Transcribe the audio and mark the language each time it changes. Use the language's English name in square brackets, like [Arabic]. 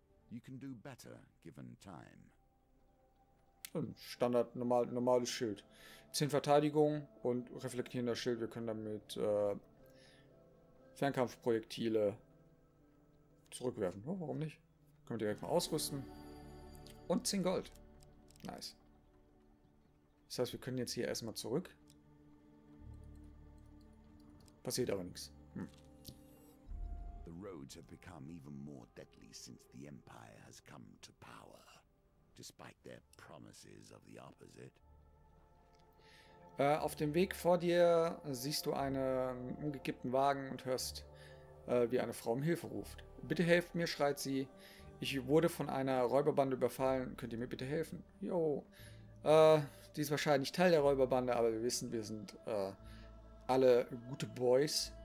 [English] You can do better given time. [German] Standard, normales Schild. 10 Verteidigung und reflektierender Schild. Wir können damit Fernkampfprojektile zurückwerfen. Oh, warum nicht? Können wir direkt mal ausrüsten. Und 10 Gold. Nice. Das heißt, wir können jetzt hier erstmal zurück. Passiert aber nichts. [English] The roads have become even more deadly since the Empire has come to power, despite their promises of the opposite. [German] Auf dem Weg vor dir siehst du einen umgekippten Wagen und hörst, wie eine Frau um Hilfe ruft. Bitte helft mir, schreit sie. Ich wurde von einer Räuberbande überfallen. Könnt ihr mir bitte helfen? Jo. Die ist wahrscheinlich Teil der Räuberbande, aber wir wissen, wir sind alle gute Boys.